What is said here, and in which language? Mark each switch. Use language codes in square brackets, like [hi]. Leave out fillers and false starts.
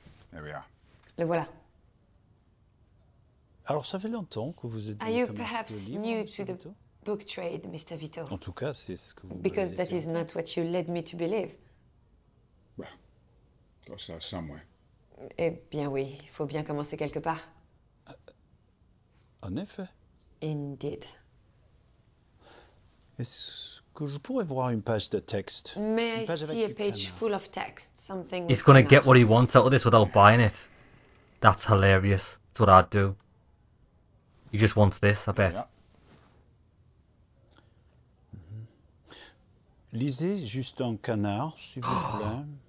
[en] There we are. [fr] Le voilà. Alors, ça fait longtemps que vous êtes [en] Are you perhaps new to the book trade, Mr. Vito? [fr] En tout cas, c'est ce que vous [en] Because that is not what you led me to believe. Got to start somewhere. [fr] Eh bien oui, il faut bien commencer quelque part. En effet. [en] Indeed. [fr] Est-ce que je pourrais voir une page de texte. [en] May I see a page full of text? Something. He's gonna get what he wants out of this without buying it. That's hilarious. That's what I'd do. He just wants this, I bet. [fr] Lisez juste un canard, s'il vous plaît.